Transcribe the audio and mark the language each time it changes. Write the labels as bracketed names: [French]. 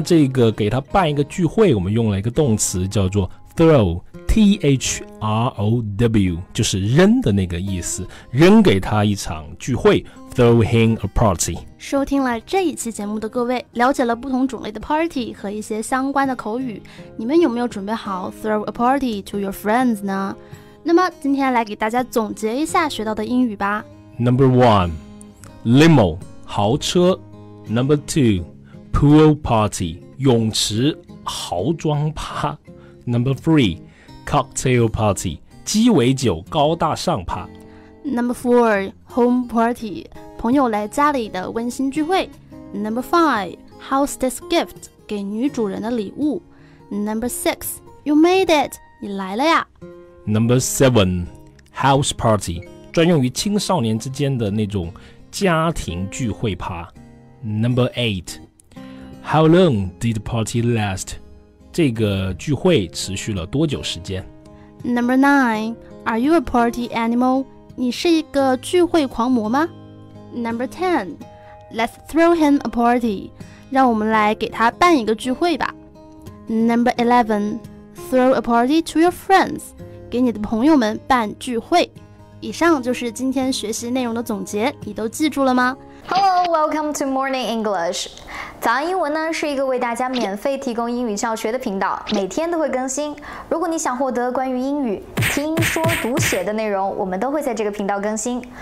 [Chinese] 这个给他办一个聚会，我们用了一个动词叫做throw, T-H-R-O-W, 就是扔的那个意思，扔给他一场聚会， [English] throw him a party。 [Chinese] 收听了这一期节目的各位，了解了不同种类的 party 和一些相关的口语，你们有没有准备好 [English] throw a party to your friends [Chinese] 呢？那么今天来给大家总结一下学到的英语吧。 [English] Number one, limo, [Chinese] 豪车。 [English] Number two, pool party, [Chinese] 泳池豪装趴。 [English] Number three, cocktail party, [Chinese] 鸡尾酒高大上趴。 [English] Number four, home party, [Chinese] 朋友来家里的温馨聚会。 [English] Number five, hostess gift, [Chinese] 给女主人的礼物。 [English] Number six, you made it, [Chinese] 你来了呀。 [English] Number seven, house party, [Chinese] 专用于青少年之间的那种家庭聚会趴。 [English] Number eight, how long did the party last? [Chinese] 这个聚会持续了多久时间？ [English] Number 9, are you a party animal? [Chinese] 你是一个聚会狂魔吗？ [English] Number 10, let's throw him a party. [Chinese] 让我们来给他办一个聚会吧。 [English] Number 11, throw a party to your friends. [Chinese] 给你的朋友们办聚会。以上就是今天学习内容的总结，你都记住了吗？ [English] Hello, welcome to Morning English. [Chinese] 早安英文呢是一个为大家免费提供英语教学的频道，每天都会更新。如果你想获得关于英语听说读写的内容，我们都会在这个频道更新。